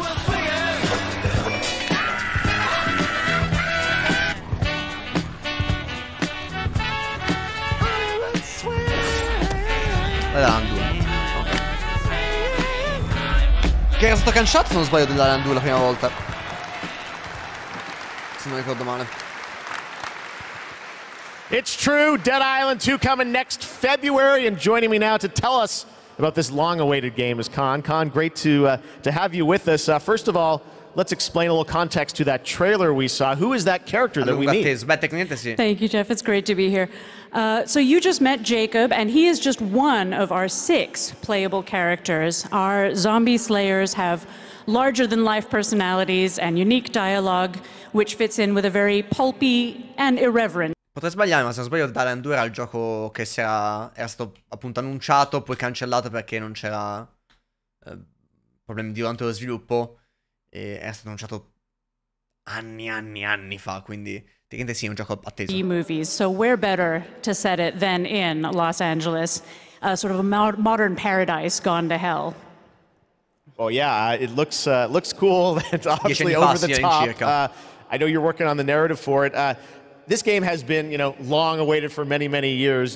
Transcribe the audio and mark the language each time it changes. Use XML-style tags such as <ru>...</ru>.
<it>Che era stato canciato se non sbaglio della Land 2 la prima volta. Se non ricordo male.</it> <en>It's true, Dead Island 2 coming next February, and joining me now to tell us about this long-awaited game is Khan. Khan, great to have you with us. First of all, let's explain a little context to that trailer we saw. Who is that character that we meet?</en> <it>Beh, tecnicamente sì.</it> <en>Thank you, Jeff. It's great to be here. So you just met Jacob, and he is just one of our six playable characters. Our zombie slayers have larger-than-life personalities and unique dialogue, which fits in with a very pulpy and irreverent.</en> <it>Potrei sbagliare, ma se non sbaglio Dead Island 2 era il gioco che si era stato appunto annunciato, poi cancellato perché non c'era problemi durante lo sviluppo, e era stato annunciato anni fa, quindi tecnicamente sì, è un gioco atteso.</it> <en>Movies, so where better to set it than in Los Angeles? sort of a modern paradise gone to hell. Well, yeah, it looks looks cool. It's obviously over the top. I know you're working on the narrative for it. This game has been, you know, long awaited for many, many years.</en>